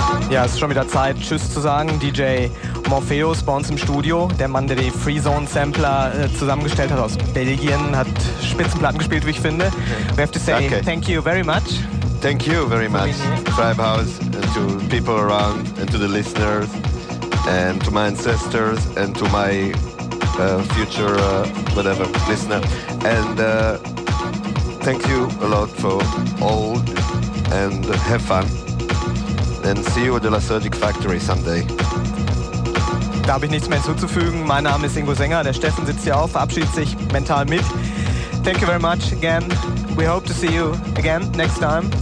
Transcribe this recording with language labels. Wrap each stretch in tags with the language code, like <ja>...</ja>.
<de>Ja, es ist schon wieder Zeit, Tschüss zu sagen. DJ Morpheus bei uns im Studio, der Mann, der die Freezone-Sampler zusammengestellt hat aus Belgien, hat Spitzenplatten gespielt, wie ich finde.</de> <en>We have to say okay. Thank you very much. Thank you very much, Treibhaus, and to people around, and to the listeners, and to my ancestors, and to my future, whatever, listener. And thank you a lot for all, and have fun. And see you at the Lasergic Factory someday.</en> <de>Da habe ich nichts mehr hinzuzufügen. Mein Name ist Ingo Sänger. Der Steffen sitzt hier auf, verabschiedet sich mental mit.</de> <en>Thank you very much again. We hope to see you again next time.</en>